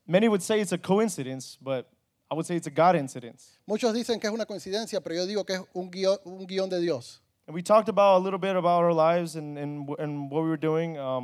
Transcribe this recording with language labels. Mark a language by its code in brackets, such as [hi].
[en] Many would say it's a coincidence, but I would say it's a God incidence. [es] Muchos dicen que es una coincidencia, pero yo digo que es un guión de Dios. [en] And we talked about a little bit about our lives and what we were doing.